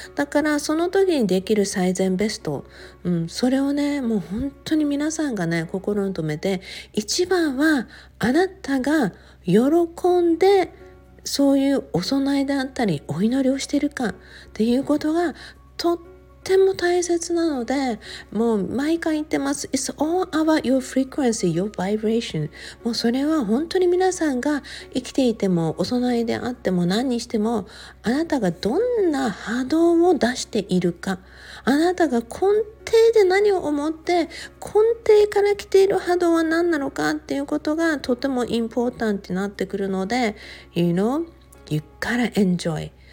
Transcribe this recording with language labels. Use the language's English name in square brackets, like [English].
[Japanese] だからその時にできる最善ベスト、それをねもう本当に皆さんがね心に留めて、一番はあなたが喜んでそういうお供えであったりお祈りをしてるかっていうことがとってとても大切なので、もう毎回言ってます。 [English] It's all about your frequency, your vibration. [Japanese] もうそれは本当に皆さんが生きていてもお供えであっても何にしても、あなたがどんな波動を出しているか、あなたが根底で何を思って根底から来ている波動は何なのかっていうことがとてもインポータントになってくるので、 [English] You know, you gotta enjoy.